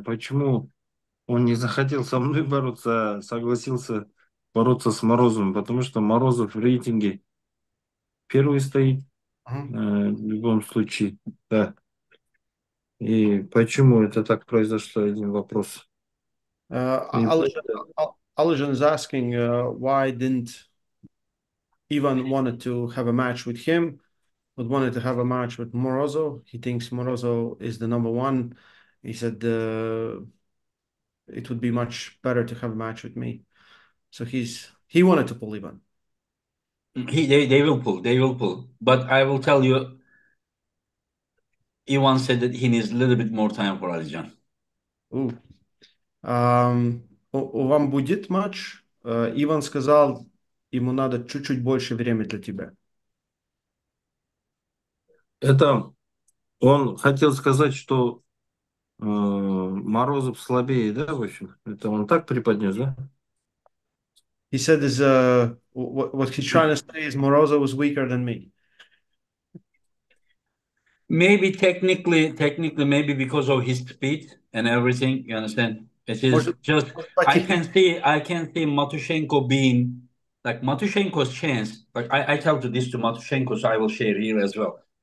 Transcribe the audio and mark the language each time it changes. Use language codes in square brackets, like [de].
[ru] Почему он не захотел со мной бороться, а согласился бороться с Морозовым? Потому что Морозов в рейтинге первый стоит, в любом случае. Да. И почему это так произошло, один вопрос. [en] Alizhan is asking, why didn't Ivan wanted to have a match with him, but wanted to have a match with Morozov. He thinks Morozov is the number one. He said it would be much better to have a match with me. So he wanted to pull Ivan. They will pull. But I will tell you, Ivan said that he needs a little bit more time for Alizhan. [ru] Ooh. Вам будет матч? Иван сказал, ему надо чуть-чуть больше времени для тебя. Это он хотел сказать, что Морозов слабее, да, в общем? Это он так преподнес, да? [en] He said, what he's trying to say is Morozov was weaker than me. Maybe technically, maybe because of his speed and everything, you understand? It is just, I can see Matushenko being, like Matushenko's chance, like I told this to Matushenko, so I will share here as well.